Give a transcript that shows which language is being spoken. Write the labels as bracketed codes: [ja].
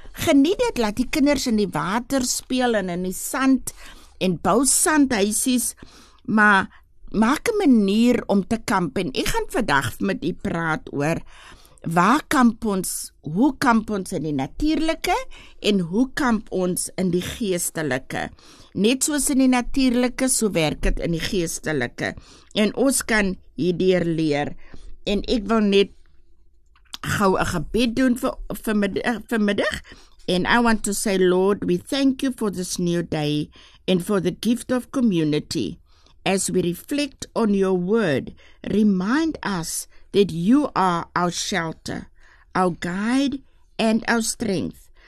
[af] Geniet het, laat die kinders in die water speel en in die sand en bou sandhuisies, maar maak een manier om te kamp. En ek gaan vandag met jy praat oor waar kamp ons, hoe kamp ons in die natuurlike en hoe kamp ons in die geestelike. Net soos in die natuurlike, so werk het in die geestelike. En ons kan hierdeur leer. En ek wil net gauw een gebed doen vanmiddag. [en] And I want to say, Lord, we thank you for this new day and for the gift of community. As we reflect on your word, remind us that you are our shelter, our guide, and our strength.